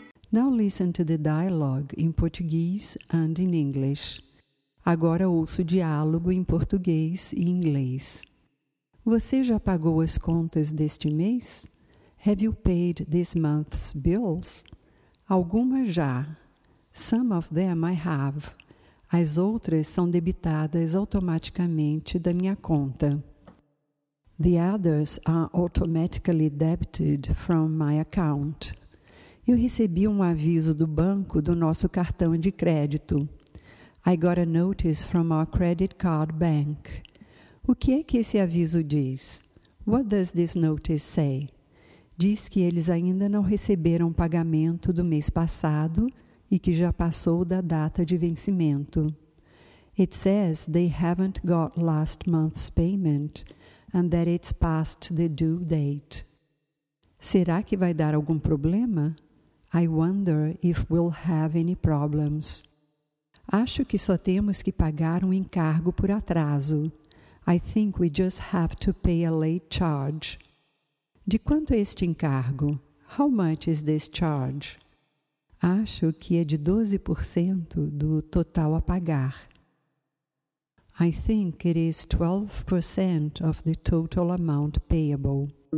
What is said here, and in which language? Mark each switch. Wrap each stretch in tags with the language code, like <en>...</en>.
<en>Now listen to the dialogue in Portuguese and in English.</en> <pt>Agora ouça o diálogo em português e inglês. Você já pagou as contas deste mês?</pt> <en>Have you paid this month's bills?</en> <pt>Algumas já.</pt> <en>Some of them I have.</en> <pt>As outras são debitadas automaticamente da minha conta.</pt> <en>The others are automatically debited from my account.</en> <pt>Eu recebi um aviso do banco do nosso cartão de crédito.</pt> <en>I got a notice from our credit card bank.</en> <pt>O que é que esse aviso diz?</pt> <en>What does this notice say?</en> <pt>Diz que eles ainda não receberam pagamento do mês passado e que já passou da data de vencimento.</pt> <en>It says they haven't got last month's payment and that it's past the due date.</en> <pt>Será que vai dar algum problema?</pt> <en>I wonder if we'll have any problems.</en> <pt>Acho que só temos que pagar um encargo por atraso.</pt> <en>I think we just have to pay a late charge.</en> <pt>De quanto é este encargo?</pt> <en>How much is this charge?</en> <pt>Acho que é de 12% do total a pagar.</pt> <en>I think it is 12% of the total amount payable.</en>